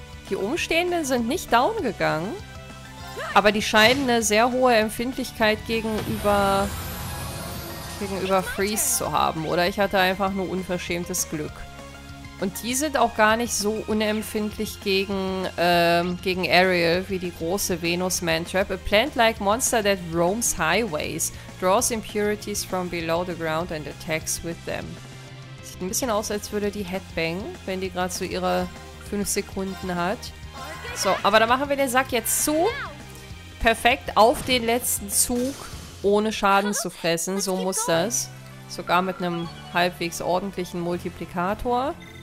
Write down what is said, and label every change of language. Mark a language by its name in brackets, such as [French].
[German] Die Umstehenden sind nicht down gegangen. Aber die scheinen eine sehr hohe Empfindlichkeit gegenüber Freeze zu haben, oder? Ich hatte einfach nur unverschämtes Glück. Und die sind auch gar nicht so unempfindlich gegen Ariel wie die große Venus-Mantrap. [English] A plant-like monster that roams highways, draws impurities from below the ground and attacks with them. [German] Sieht ein bisschen aus, als würde die Headbang, wenn die gerade so ihre 5 Sekunden hat. So, aber da machen wir den Sack jetzt zu. Perfekt auf den letzten Zug, ohne Schaden zu fressen. So muss das. Sogar mit einem halbwegs ordentlichen Multiplikator.